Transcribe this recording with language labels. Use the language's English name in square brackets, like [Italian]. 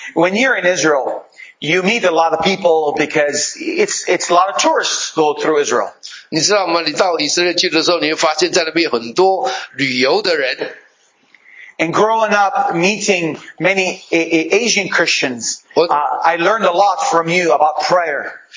[English] When you're in Israel, you meet a lot of people because it's a lot of tourists go through Israel. [Chinese] 你知道吗？你到以色列去的时候，你会发现在那边有很多旅游的人。 [English] And growing up, meeting many Asian Christians, I learned a lot from you about prayer.